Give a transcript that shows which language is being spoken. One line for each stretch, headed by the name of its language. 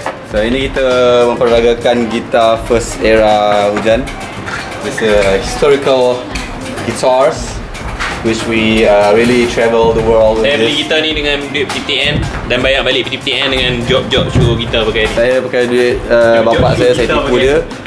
Malay: So ini kita memperagakan gitar first era Hujan.
English: It's a historical guitars which we really travel the world.
Malay: Saya beli gitar ni dengan duit PTN dan bayar balik PTN dengan job-job suruh gitar pakai ni. Saya pakai duit bapak saya, saya tipu dia.